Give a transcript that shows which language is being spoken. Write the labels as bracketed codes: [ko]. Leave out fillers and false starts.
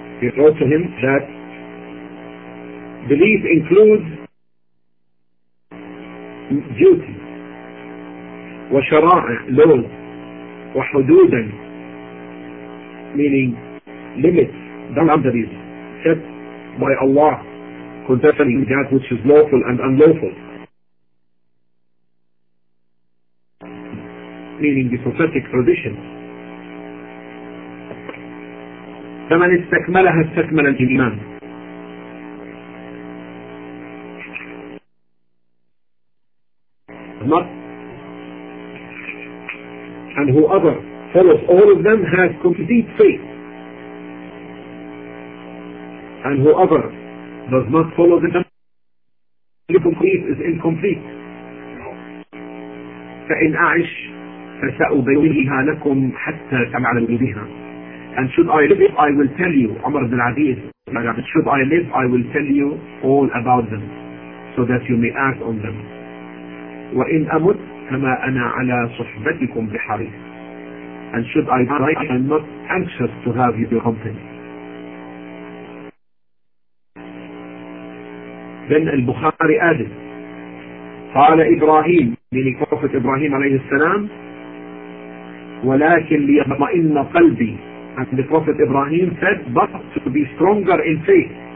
[en] He wrote to him that belief includes duty, وَشَرَائِعْ laws, وَحُدُودًا meaning limits, boundaries set by Allah concerning that which is lawful and unlawful. Meaning the prophetic tradition. [ar] فمن استكملها استكمل الإيمان. [en] And whoever follows all of them has complete faith. And whoever does not follow the complete is incomplete. [ar] فإن أعش فسأبينها لكم حتى تعلموا بها. [en] And should I live, I will tell you, Umar bin Aziz, should I live, I will tell you all about them, so that you may act on them. [ar] وإن أمت فما أنا على صحبتكم بحريص. [en] And should I die, I am not anxious to have your company. Then Al-Bukhari added, قال إبراهيم, meaning Prophet Ibrahim عليه السلام, ولكن ليطمئن قلبي. And the Prophet Ibrahim said, but to be stronger in faith.